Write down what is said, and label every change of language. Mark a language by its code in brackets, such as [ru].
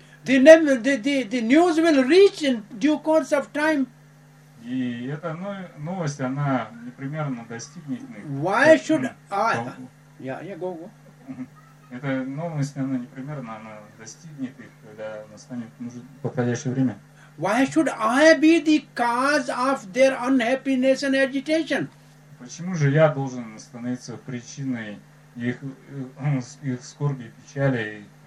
[en] The news will reach in due course of time. [ru] И эта новость, она непременно достигнет их. [en] Why should I? Go. [ru] Эта новость, она непременно она достигнет их, когда настанет подходящее время. [en] Why should I be the cause of their unhappiness and agitation? [ru] Почему же я должен становиться причиной их скорби, печали?